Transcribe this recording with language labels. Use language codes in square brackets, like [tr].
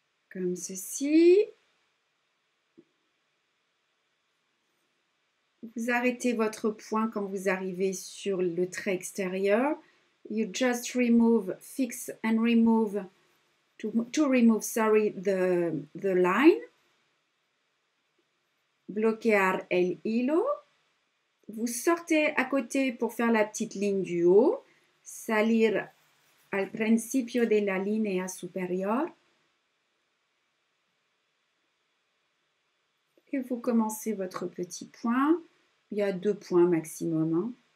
[fr] Comme ceci. Vous arrêtez votre point quand vous arrivez sur le trait extérieur. [en] You just remove, fix and remove, to remove, the line. [es] Bloquear el hilo. [fr] Vous sortez à côté pour faire la petite ligne du haut. [es] Salir al principio de la línea superior. [fr] Et vous commencez votre petit point. Il y a deux points maximum. Hein.